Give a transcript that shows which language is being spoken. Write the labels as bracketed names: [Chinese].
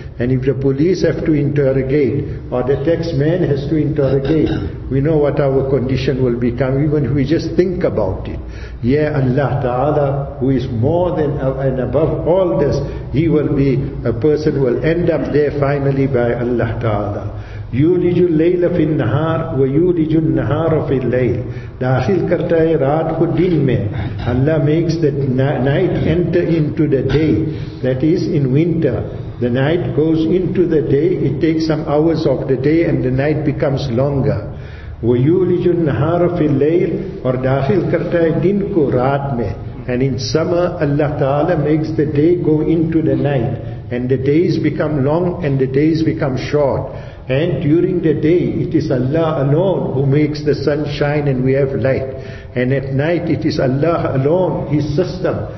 [English] And if the police have to interrogate, or the tax man has to interrogate, we know what our condition will become, even if we just think about it. Yeah, Allah Ta'ala, who is more than and above all this, He will be, a person will end up there finally by Allah Ta'ala. [Arabic] يُولِجُ اللَّيْلَ فِي النَّهَارِ وَيُولِجُ النَّهَارَ فِي اللَّيْلِ. [Urdu] داخل کرتا ہے رات کو دن میں. [English] Allah makes the night enter into the day. That is in winter. The night goes into the day. It takes some hours of the day and the night becomes longer. [Arabic] وَيُولِجُ النَّهَارَ فِي اللَّيْلِ. [Urdu] اور داخل کرتا ہے دن کو رات میں. [English] And in summer, Allah Ta'ala makes the day go into the night. And the days become long and the days become short. And during the day, it is Allah alone who makes the sun shine and we have light. And at night, it is Allah alone, His system,